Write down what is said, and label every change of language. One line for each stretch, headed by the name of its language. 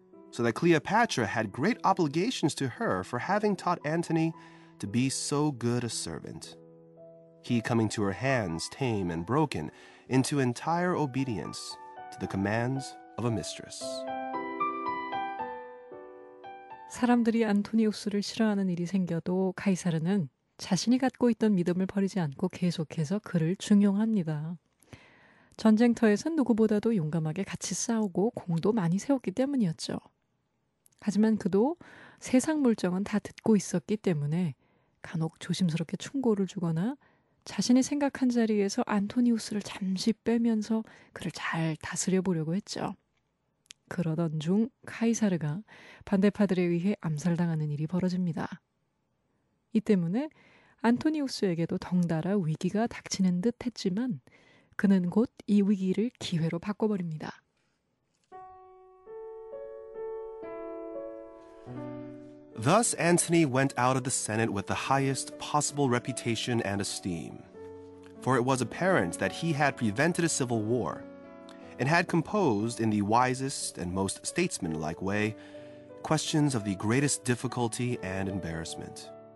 English: So that Cleopatra had great obligations to her for having taught Antony to be so good a servant. He coming to her hands, tame and broken, into entire obedience to the commands of a mistress.
Korean: 사람들이 안토니우스를 싫어하는 일이 생겨도 카이사르는 자신이 갖고 있던 믿음을 버리지 않고 계속해서 그를 중용합니다. 전쟁터에선 누구보다도 용감하게 같이 싸우고 공도 많이 세웠기 때문이었죠. 하지만 그도 세상 물정은 다 듣고 있었기 때문에 간혹 조심스럽게 충고를 주거나 자신이 생각한 자리에서 안토니우스를 잠시 빼면서 그를 잘 다스려 보려고 했죠. 그러던 중 카이사르가 반대파들에 의해 암살당하는 일이 벌어집니다. 이 때문에 안토니우스에게도 덩달아 위기가 닥치는 듯 했지만 그는 곧 이 위기를 기회로 바꿔버립니다.
English: Thus Antony went out of the Senate with the highest possible reputation and esteem, for it was apparent that he had prevented a civil war, and had composed in the wisest and most statesmanlike way questions of the greatest difficulty and embarrassment.